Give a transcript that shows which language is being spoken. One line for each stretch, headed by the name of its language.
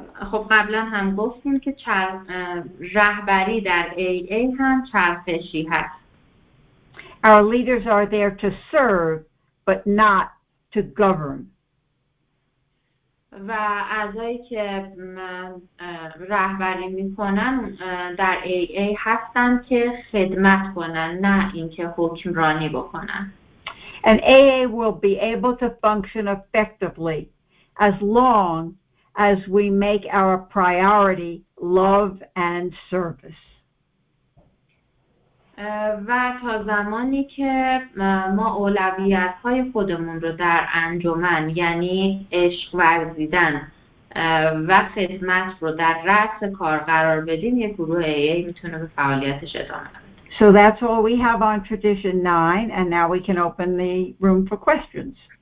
Persian: خب قبلا هم گفتیم که رهبری در AA هم چرخشی هست.
English: Our leaders are there to serve but not to govern.
Persian: و اعضایی که رهبری میکنن در AA هستن که خدمت کنن نه اینکه حکمرانی بکنن.
English: And AA will be able to function effectively as long as we make our priority love and service.
Persian: و تا زمانی که ما اولویت‌های خودمون رو در انجمن یعنی عشق ورزیدن و خدمت رو در رأس کار قرار بدیم یک گروه AA میتونه به فعالیتش ادامه بده.
English: So that's all we have on tradition 9, and now we can open the room for questions.